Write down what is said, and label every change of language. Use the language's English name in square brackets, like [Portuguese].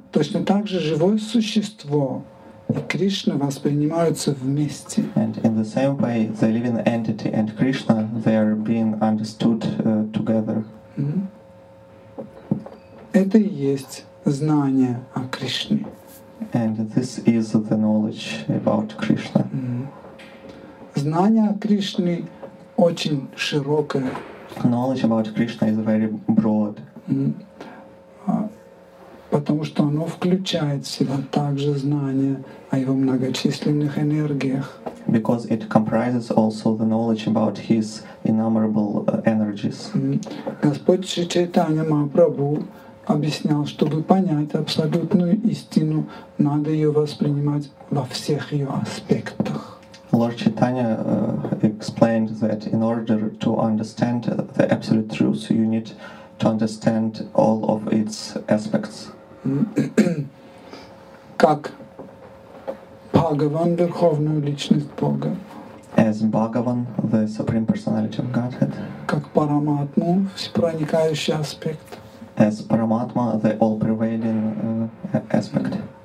[Russian] Точно так же живое существо и Кришна воспринимаются вместе. [English] And in the same way, the living entity and Krishna, they are being understood together. Mm-hmm. [Russian] Это и есть знание о Кришне. [English] And this is the knowledge about Krishna. Mm-hmm. [Russian] Знание о Кришне очень широкое. [English] Knowledge about Krishna is very broad. Mm-hmm. [Russian] Потому что оно включает в себя также знание о его многочисленных энергиях. [English] Because it comprises also the knowledge about his innumerable energies. Mm-hmm. [Russian] Господь Шри Чайтанья Махапрабху объяснял, чтобы понять абсолютную истину, надо ее воспринимать во всех ее аспектах. [English] Lord Chaitanya explained that in order to understand the absolute truth, you need to understand all of its aspects. [Russian] Как Бхагаван, Верховную Личность Бога. [English] As Bhagavan, the Supreme Personality of Godhead. [Russian] Как Параматму, всепроникающий аспект. [English] As Paramatma, the all-pervading aspect.